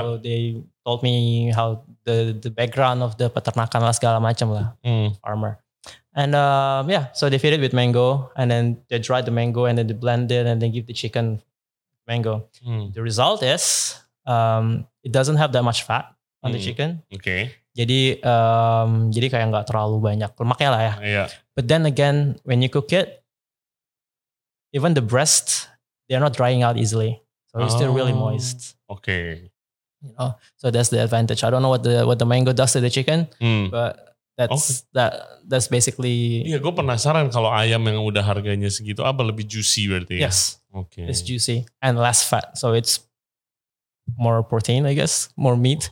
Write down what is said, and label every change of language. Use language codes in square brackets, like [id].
[en] So they told me how the background of the peternakan lah, [id] segala macam lah, [en] farmer. And yeah, so they feed it with mango, and then they dry the mango, and then they blend it, and then give the chicken mango. The result is it doesn't have that much fat on the chicken. Okay. [id] Jadi kayak nggak terlalu banyak lemaknya lah ya. [en] Yeah. But then again, when you cook it, even the breast, they're not drying out easily, so it's still really moist. Okay. You know, so that's the advantage. I don't know what the mango does to the chicken, but. That's basically. [id] Iya, gue penasaran kalau ayam yang udah harganya segitu apa lebih juicy berarti. Ya? [en] Yes. [id] Oke. [en] Okay. It's juicy and less fat, so it's more protein, I guess, more meat.